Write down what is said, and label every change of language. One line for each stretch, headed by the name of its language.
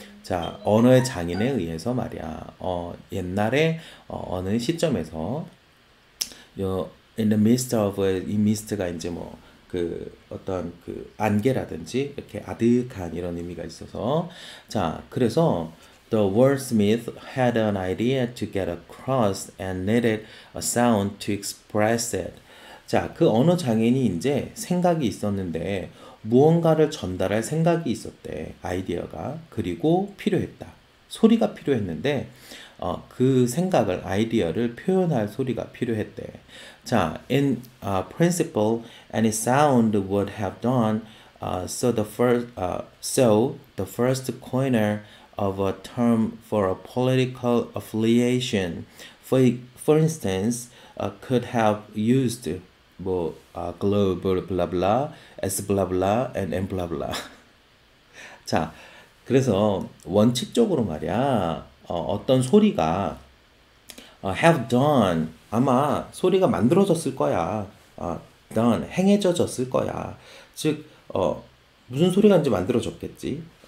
Korean: 자, 언어의 장인에 의해서 말이야, 옛날에, 어느 시점에서,
English: in the midst of,
Korean: 이 미스트가 이제 뭐, 그 어떤 그 안개라든지 이렇게 아득한 이런 의미가 있어서 자 그래서
English: the wordsmith had an idea to get across and needed a sound to express it.
Korean: 자그 언어 장인이 이제 생각이 있었는데 무언가를 전달할 생각이 있었대. 아이디어가 그리고 필요했다. 소리가 필요했는데 그 생각을 아이디어를 표현할 소리가 필요했대.
English: 자, in principle, any sound would have done. So the first coiner of a term for a political affiliation, for instance, could have used 뭐 globe blah blah, s blah blah, and m blah blah.
Korean: 자, 그래서 원칙적으로 말이야. 어떤 소리가 have done 아마 소리가 만들어졌을 거야. done 행해져졌을 거야. 즉, 무슨 소리가 이제 만들어졌겠지?